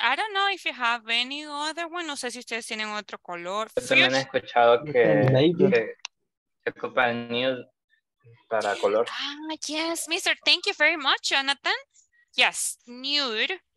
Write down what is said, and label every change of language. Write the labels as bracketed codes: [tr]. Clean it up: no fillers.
[en] I don't know if you have any other one. [es] No sé si ustedes tienen otro color. Yo también he escuchado que se ocupa el nude para color. [en] Yes, mister. Thank you very much, Jonathan. Yes, nude.